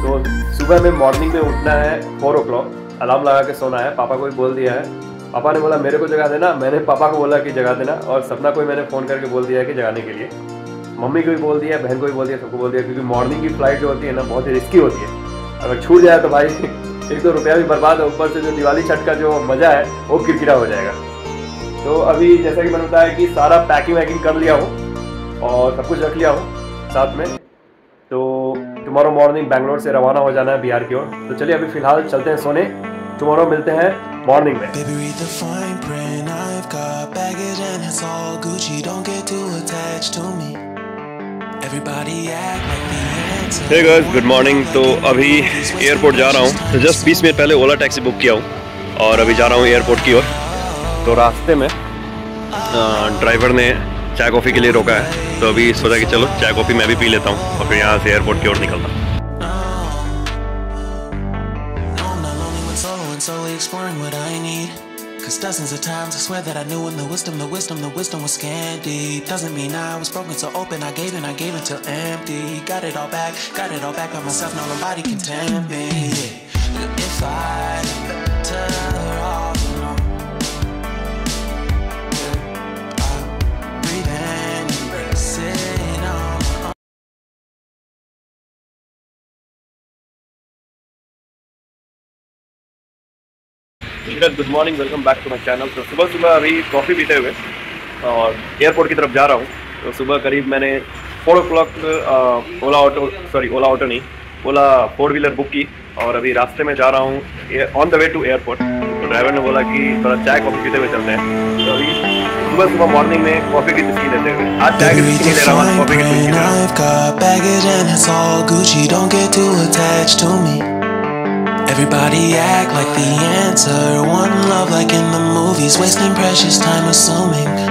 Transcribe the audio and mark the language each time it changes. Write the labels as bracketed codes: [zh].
[hi] तो सुबह में मॉर्निंग में उठना है 4 o'clock, अलार्म लगा के सोना है, पापा को भी बोल दिया है, पापा ने बोला मेरे को जगा देना, मैंने पापा को बोला कि जगा देना, और सपना को भी मैंने फ़ोन करके बोल दिया है कि जगाने के लिए, मम्मी को भी बोल दिया, बहन को भी बोल दिया, सबको बोल दिया, क्योंकि मॉर्निंग की फ्लाइट जो होती है ना बहुत ही रिस्की होती है, अगर छूट जाए तो भाई एक तो रुपया भी बर्बाद है, ऊपर से जो दिवाली छठ का जो मज़ा है वो किरकिरा हो जाएगा। तो अभी जैसा कि मैंने बताया कि सारा पैकिंग वैकिंग कर लिया हूँ और सब कुछ रख लिया हूँ साथ में, तो [en] tomorrow morning [hi] बैंगलोर से रवाना हो जाना है बिहार की ओर। तो चलिए अभी फिलहाल चलते हैं सोने, टुमारो मिलते हैं मॉर्निंग में। [en] Baby, read the fine print. I've got baggage and it's all Gucci. Don't get too attached to me. Hey guys, good morning. [hi] तो अभी एयरपोर्ट जा रहा हूँ, तो जस्ट 20 मिनट पहले ओला टैक्सी बुक किया हूँ और अभी जा रहा हूँ एयरपोर्ट की ओर। तो रास्ते में ड्राइवर ने चाय कॉफ़ी के लिए रोका है, तो अभी सोचा कि चलो चाय कॉफ़ी मैं भी पी लेता हूँ और फिर यहाँ से एयरपोर्ट की ओर निकलता हूँ। [en] Cause dozens of times I swear that I knew when the wisdom was scanty. Doesn't mean I was broken, so open. I gave until empty. Got it all back by myself. Now nobody can tempt me. If I turn her off, you know, I'm breathing, sitting on. Good morning, welcome back to my channel. [hi] तो सुबह अभी coffee पीते हुए और airport की तरफ जा रहा हूँ। तो सुबह करीब मैंने 4 o'clock ओला फोर व्हीलर बुक की और अभी रास्ते में जा रहा हूँ [en] On the way to airport. [hi] तो ड्राइवर ने बोला कि थोड़ा चाय कॉफ़ी पीते हुए चलते हैं, तो अभी सुबह मॉर्निंग में कॉफ़ी की टिस्की लेते हुए, आज चाय की टिस्की ले रहा हूँ, कॉफ़ी की टिस्की। [en] Everybody act like the answer. One love like in the movies. Wasting precious time assuming.